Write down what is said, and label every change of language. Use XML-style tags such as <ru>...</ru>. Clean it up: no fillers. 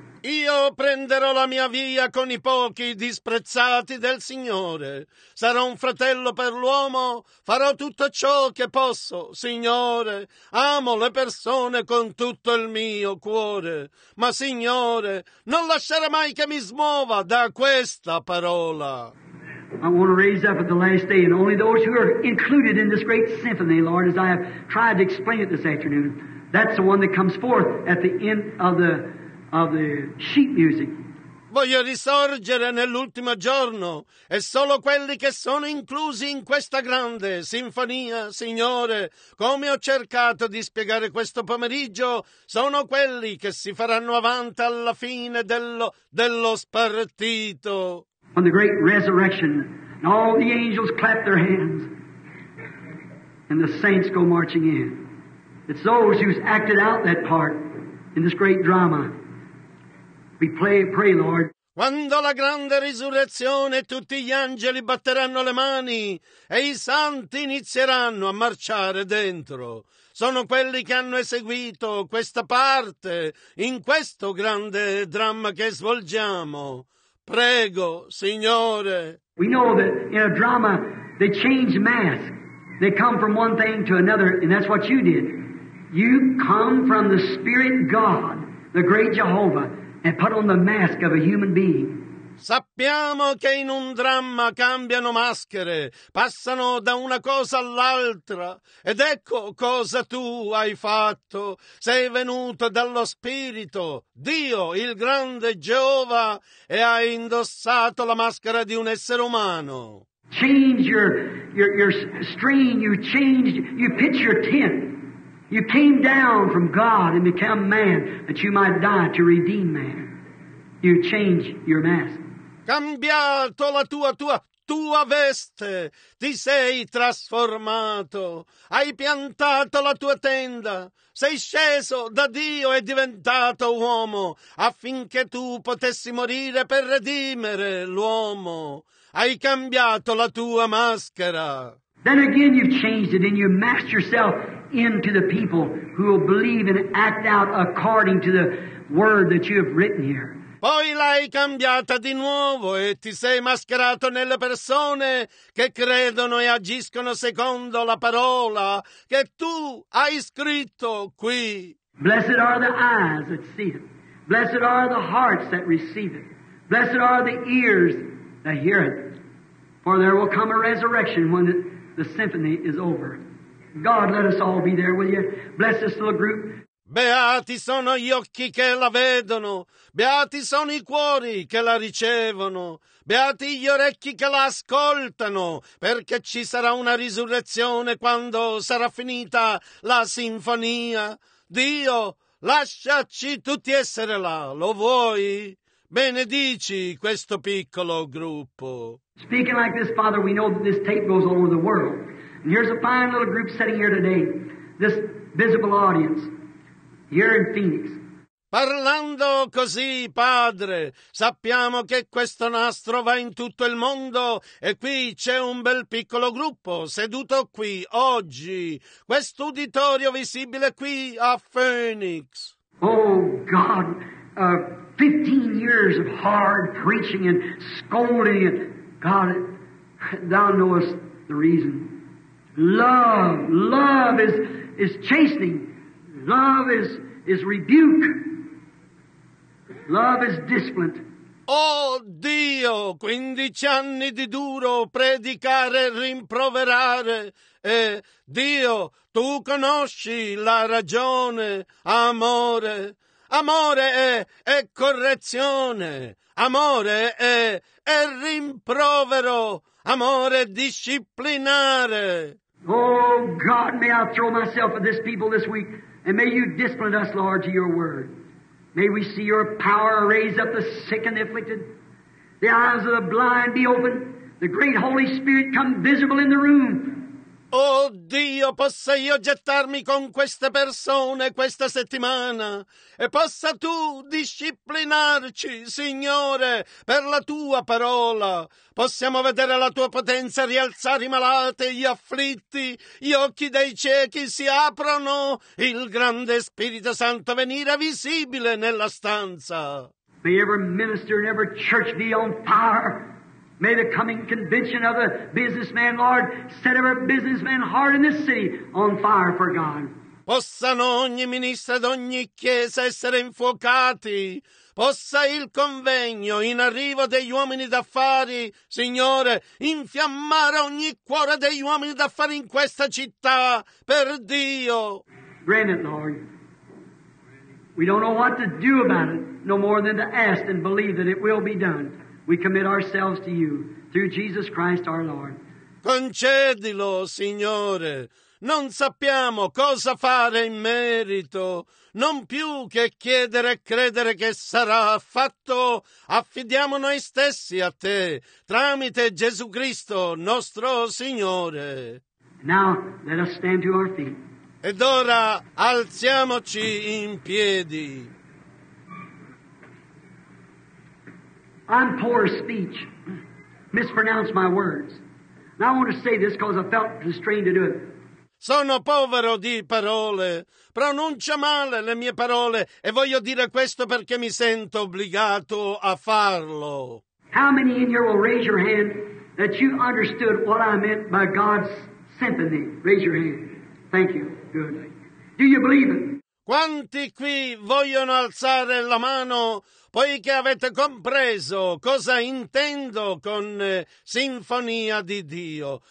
<it>Io prenderò la mia via con i pochi disprezzati del Signore. Sarò un fratello per l'uomo. Farò tutto ciò che posso, Signore. Amo le persone con tutto il mio cuore. Ma, Signore, non lasciare mai che mi smuova da questa parola.</it> <en>I want to raise up at the last day, and only those who are included in this great symphony, Lord, as I have tried to explain it this afternoon, that's the one that comes forth at the end of the sheet music.</en> <it>Voglio risorgere nell'ultimo giorno, e solo quelli che sono inclusi in questa grande sinfonia, Signore, come ho cercato di spiegare questo pomeriggio, sono quelli che si faranno avanti alla fine dello spartito.</it> <en>On the great resurrection, and all the angels clap their hands, and the saints go marching in. It's those who've acted out that part in this great drama. We pray, Lord.</en> <it>Quando la grande risurrezione, tutti gli angeli batteranno le mani e i santi inizieranno a marciare dentro. Sono quelli che hanno eseguito questa parte in questo grande dramma che svolgiamo. Prego, Signore.</it> <en>We know that in a drama, they change masks. They come from one thing to another, and that's what you did. You come from the Spirit God, the great Jehovah, and put on the mask of a human being.</en> <it>Sappiamo che in un dramma cambiano maschere, passano da una cosa all'altra, ed ecco cosa tu hai fatto. Sei venuto dallo Spirito, Dio, il grande Geova, e hai indossato la maschera di un essere umano.</it> <en>Change your strain, you changed, you pitch your tent. You came down from God and become man, that you might die to redeem man. You change your mask.</en> <it>Cambiato la tua veste, ti sei trasformato, hai piantato la tua tenda, sei sceso da Dio e diventato uomo, affinché tu potessi morire per redimere l'uomo. Hai cambiato la tua maschera.</it> <en>Then again you've changed it and you masked yourself into the people who will believe and act out according to the word that you have written here.</en> <it>Poi l'hai cambiata di nuovo e ti sei mascherato nelle persone che credono e agiscono secondo la parola che tu hai scritto qui.</it> <en>Blessed are the eyes that see it. Blessed are the hearts that receive it. Blessed are the ears that hear it. For there will come a resurrection when the symphony is over. God, let us all be there, will you? Bless this little group.</en> <it>Beati sono gli occhi che la vedono, beati sono i cuori che la ricevono, beati gli orecchi che la ascoltano, perché ci sarà una risurrezione quando sarà finita la sinfonia. Dio, lasciaci tutti essere là, lo vuoi? Benedici questo piccolo gruppo.</it> <en>Speaking like this, Father, we know that this tape goes all over the world. And here's a fine little group sitting here today, this visible audience. Here in Phoenix.</en> <it>Parlando così, Padre, sappiamo che questo nastro va in tutto il mondo e qui c'è un bel piccolo gruppo seduto qui, oggi, quest'uditorio visibile qui a Phoenix.</it> <en>Oh, God, 15 years of hard preaching and scolding, and God, thou knowest the reason. Love is chastening. Love is rebuke. Love is discipline.</en> <it>Oh Dio, 15 anni di duro predicare e rimproverare. Dio, tu conosci la ragione, amore. Amore è correzione. Amore è rimprovero. Amore disciplinare.</it> <en>Oh God, may I throw myself at this people this week, and may you discipline us, Lord, to your word. May we see your power raise up the sick and the afflicted. The eyes of the blind be opened. The great Holy Spirit come visible in the room.</en> <it>Oh Dio, possa io gettarmi con queste persone questa settimana e possa Tu disciplinarci, Signore, per la Tua parola. Possiamo vedere la Tua potenza rialzare i malati, gli afflitti, gli occhi dei ciechi si aprono, il grande Spirito Santo venire visibile nella stanza.</it> <en>May every minister and every church be on fire. May the coming convention of the businessman, Lord, set every businessman heart in this city on fire for God.</en> <it>Possano ogni ministro ed ogni chiesa essere infuocati. Possa il convegno in arrivo degli uomini d'affari, Signore, infiammare ogni cuore degli uomini d'affari in questa città, per Dio.</it> <en>Grant it, Lord. We don't know what to do about it, no more than to ask and believe that it will be done. We commit ourselves to you through Jesus Christ our Lord.</en> <it>Concedilo, Signore. Non sappiamo cosa fare in merito. Non più che chiedere e credere che sarà fatto. Affidiamo noi stessi a te, tramite Gesù Cristo, nostro Signore.</it> <en>Now let us stand to our feet.</en> <it>Ed ora alziamoci in piedi.</it> <en>I'm poor speech, mispronounced my words. Now I want to say this because I felt constrained to do it.</en> <it>Sono povero di parole. Pronuncia male le mie parole e voglio dire questo perché mi sento obbligato a farlo.</it> <en>How many in here will raise your hand that you understood what I meant by God's symphony? Raise your hand. Thank you. Good. Do you believe it?</en> <it>Quanti qui vogliono alzare la mano poiché avete compreso cosa intendo con sinfonia di Dio?</it>